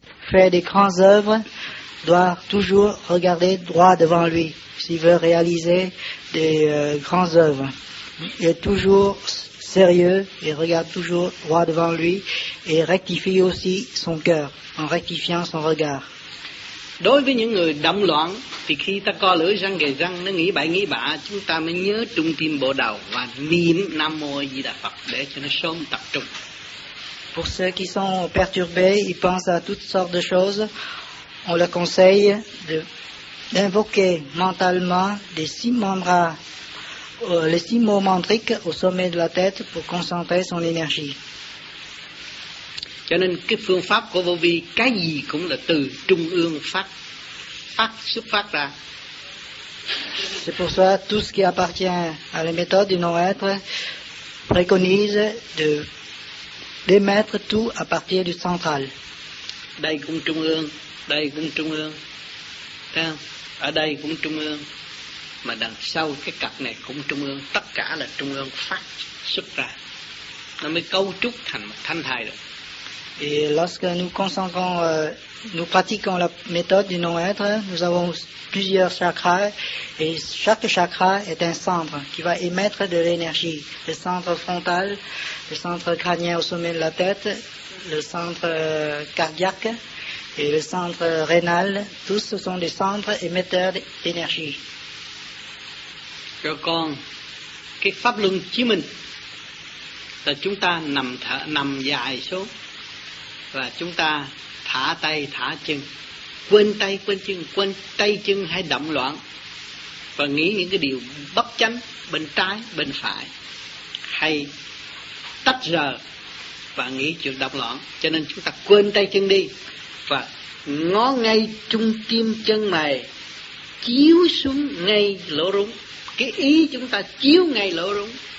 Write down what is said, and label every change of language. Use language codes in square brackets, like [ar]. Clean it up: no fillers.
[fr] fait des grandes œuvres doit toujours regarder droit devant lui s'il veut réaliser des grandes œuvres. Il est toujours sérieux et regarde toujours droit devant lui et rectifie aussi son cœur en rectifiant son regard. [vi] Đối với những người động loạn thì khi ta co lưỡi răng kề răng nó nghĩ bạ chúng ta mới nhớ trung tâm bộ đầu và niệm Nam Mô A Di Đà Phật để cho nó sớm tập trung. [fr] Pour ceux qui sont perturbés, ils pensent à toutes sortes de choses, on leur conseille d'invoquer mentalement des six mantras, les six mots mantriques au sommet de la tête pour concentrer son énergie. [vi] Cho nên cái phương pháp của Vô Vi, cái gì cũng là từ trung ương phát xuất phát ra. [fr] C'est pour ça tout ce qui appartient à la méthode du non-être préconise de démettre tout à partir du central. [vi] Đây cũng trung ương, đây cũng trung ương. Thấy không? Ở đây cũng trung ương. Mà đằng sau cái cặp này cũng trung ương, tất cả là trung ương phát xuất ra. Nó mới cấu trúc thành một thanh thai được. [fr] Et lorsque nous concentrons, nous pratiquons la méthode du non-être, nous avons plusieurs chakras et chaque chakra est un centre qui va émettre de l'énergie. Le centre frontal, le centre crânien au sommet de la tête, le centre cardiaque et le centre rénal, tous ce sont des centres émetteurs d'énergie. [vi] Rồi còn, cái pháp luân chí minh là chúng ta nằm dài xuống. Và chúng ta thả tay thả chân, quên tay quên chân, quên tay chân hay động loạn và nghĩ những cái điều bất chánh bên trái bên phải hay tách rời và nghĩ chuyện động loạn, cho nên chúng ta quên tay chân đi và ngó ngay trung tim chân mày chiếu xuống ngay lỗ rúng, cái ý chúng ta chiếu ngay lỗ rúng